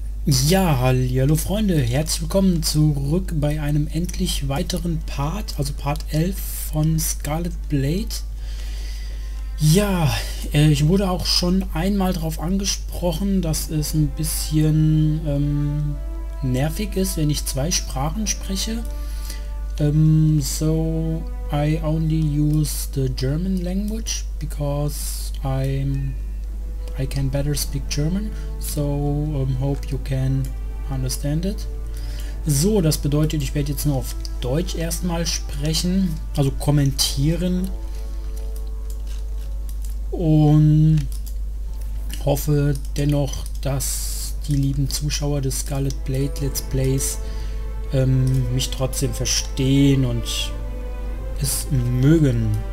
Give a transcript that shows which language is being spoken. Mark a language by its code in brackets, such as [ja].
[de] Ja, hallo Freunde, herzlich willkommen zurück bei einem endlich weiteren Part, also Part 11 von Scarlet Blade. Ja, ich wurde auch schon einmal darauf angesprochen, dass es ein bisschen nervig ist, wenn ich zwei Sprachen spreche. [en] So, I only use the German language because I can better speak German, so hope you can understand it. [de] So, das bedeutet, ich werde jetzt nur auf Deutsch erstmal sprechen, also kommentieren und hoffe dennoch, dass die lieben Zuschauer des Scarlet Blade Let's Plays mich trotzdem verstehen und es mögen.